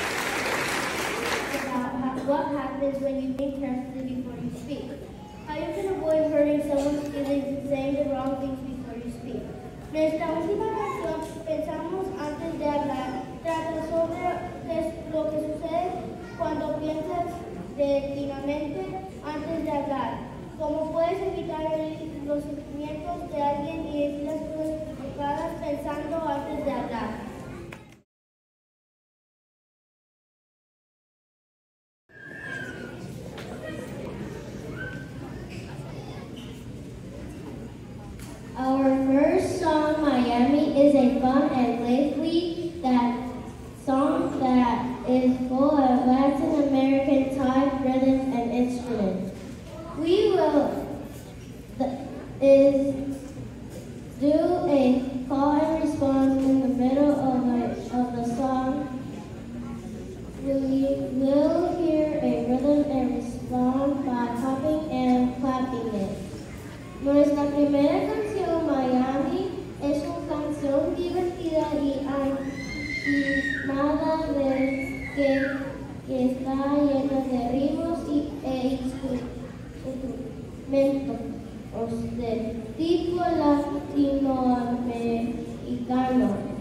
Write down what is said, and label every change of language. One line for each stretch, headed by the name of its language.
English: what happens when you think carefully before you speak. How you can avoid hurting someone's feelings and saying the wrong things before you speak.
Spanish: Nuestra última canción, pensamos antes de hablar, trata sobre lo que sucede cuando piensas detenidamente antes de hablar. ¿Cómo puedes evitar los sentimientos de alguien y decir las cosas equivocadas pensando antes de hablar?
English: Our first song, Miami, is a fun and lively that song that is full of Latin American type rhythms and instruments. We will do a call and response in the middle of the song. We will hear a rhythm and respond by popping and clapping it.
Spanish: Nuestra primera canción, Miami, es una canción divertida y animada que está llena de ritmos y instrumentos del tipo latinoamericano.